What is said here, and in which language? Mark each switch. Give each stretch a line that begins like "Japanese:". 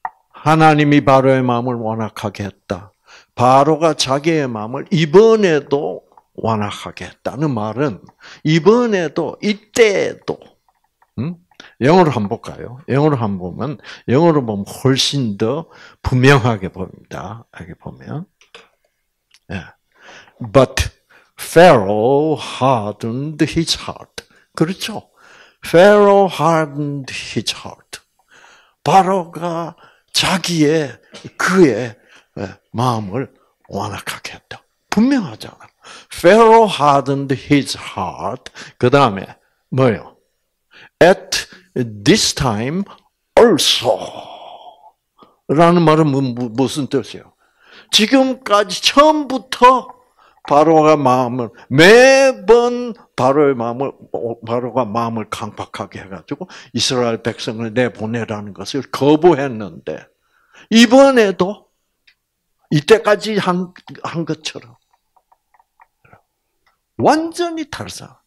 Korean: 하나님이 바로의 마음을 완악하게 했다. 바로가 자기의 마음을 이번에도 완악하게 했다는 말은 이번에도 이때에도 영어로 한번 볼까요? 영어로 한번 보면, 영어로 보면 훨씬 더 분명하게 보입니다. 여기 보면.
English: But Pharaoh hardened his heart.
Korean: 그렇죠?
English: Pharaoh hardened his heart.
Korean: 바로가 자기의, 그의 마음을 완악하게 했다. 분명하잖아.
English: Pharaoh hardened his heart.
Korean: 그 다음에, 뭐요?
English: At this time also
Korean: 라는 말은 무슨 뜻이에요? 지금까지 처음부터 바로가 마음을 매번 바로의 마음을 바로가 마음을 강팍하게 해가지고 이스라엘 백성을 내보내라는 것을 거부했는데 이번에도 이때까지 한 것처럼 완전히 다르다.